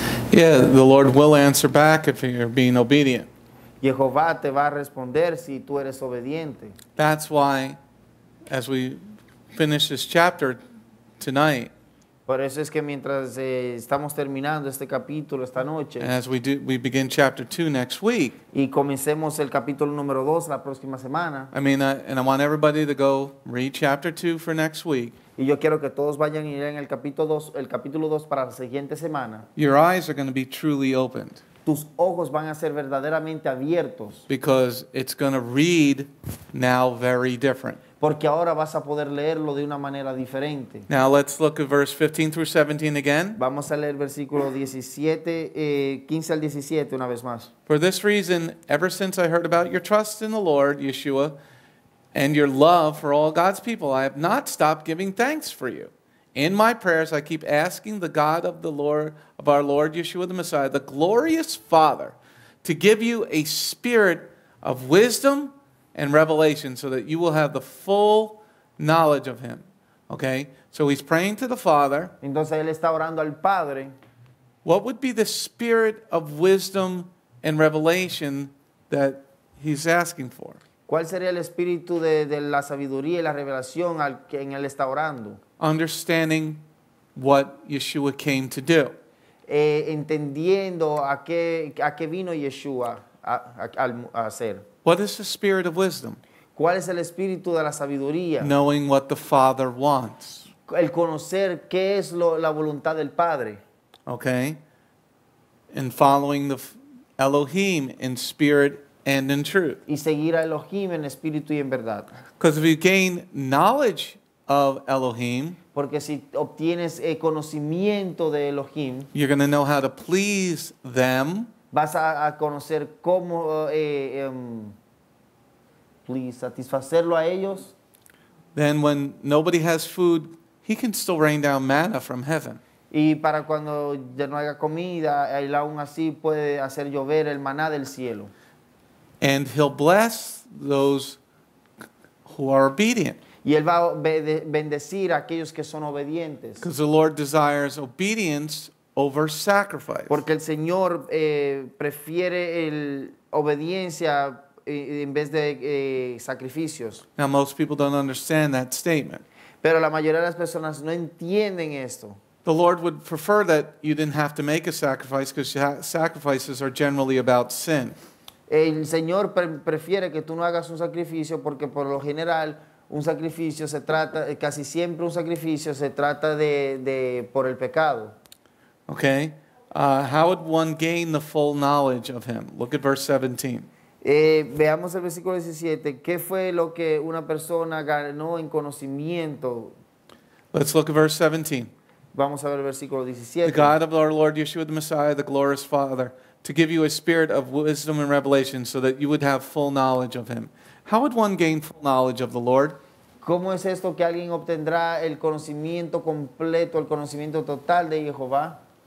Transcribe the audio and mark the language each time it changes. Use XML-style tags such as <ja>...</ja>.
<en>Yeah, the Lord will answer back if you're being obedient.</en> <es>Jehová te va a responder si tú eres obediente.</es> <en>That's why, as we finish this chapter tonight,</en> <es>por eso es que mientras estamos terminando este capítulo esta noche,</es> <en>and as we begin chapter 2 next week,</en> <es>y comencemos el capítulo número 2 la próxima semana,</es> <en>I mean, and I want everybody to go read chapter 2 for next week,</en> <es>y yo quiero que todos vayan y lean el capítulo 2 para la siguiente semana.</es> <en>Your eyes are going to be truly opened.</en> <es>tus ojos van a ser verdaderamente abiertos.</es> <en>Because it's going to read now very different.</en> <es>Porque ahora vas a poder leerlo de una manera diferente.</es> <en>Now let's look at verse 15 through 17 again.</en> <es>Vamos a leer versículo 15 al 17 una vez más.</es> <en>For this reason, ever since I heard about your trust in the Lord, Yeshua, and your love for all God's people, I have not stopped giving thanks for you. In my prayers, I keep asking the God of the Lord, of our Lord Yeshua the Messiah, the glorious Father, to give you a spirit of wisdom and revelation so that you will have the full knowledge of him. Okay? So he's praying to the Father.</en> <es>Entonces él está orando al Padre.</es> <en>What would be the spirit of wisdom and revelation that he's asking for?</en> <es>¿Cuál sería el espíritu de la sabiduría y la revelación al que en él está orando?</es> <en>Understanding what Yeshua came to do.</en> <es>Entendiendo a qué vino Yeshua a hacer.</es> <en>What is the spirit of wisdom?</en> <es>¿Cuál es el espíritu de la sabiduría?</es> <en>Knowing what the Father wants.</en> <es>El conocer qué es la voluntad del Padre.</es> <en>Okay. And following the Elohim in spirit and in truth.</en> <es>Y seguir a Elohim en espíritu y en verdad.</es> <en>Because if you gain knowledge of Elohim,</en> <es>porque si obtienes conocimiento de Elohim,</es> <en>you're going to know how to please them.</en> <es>Vas a conocer cómo</es> <en>please</en> <es>satisfacerlo a ellos.</es> <en>Then when nobody has food, he can still rain down manna from heaven.</en> <es>Y para cuando ya no haya comida, él aún así puede hacer llover el maná del cielo.</es> <en>And he'll bless those who are obedient.</en> <es>Y él va a bendecir a aquellos que son obedientes.</es> <en>Because the Lord desires obedience over sacrifice.</en> <es>Porque el Señor prefiere el obediencia en vez de sacrificios.</es> <en>Now most people don't understand that statement.</en> <es>Pero la mayoría de las personas no entienden esto.</es> <en>The Lord would prefer that you didn't have to make a sacrifice because sacrifices are generally about sin.</en> <es>El Señor prefiere que tú no hagas un sacrificio porque por lo general un sacrificio se trata, casi siempre un sacrificio se trata de por el pecado.</es> <en>Okay, how would one gain the full knowledge of him? Look at verse 17.</en> <es>Veamos el versículo 17. ¿Qué fue lo que una persona ganó en conocimiento?</es> <en>Let's look at verse 17.</en> <es>Vamos a ver el versículo 17.</es> <en>The God of our Lord Yeshua the Messiah, the glorious Father, to give you a spirit of wisdom and revelation so that you would have full knowledge of him. How would one gain full knowledge of the Lord?</en> <es>¿Cómo es esto que alguien obtendrá el conocimiento completo, el conocimiento total de Jehová?</es>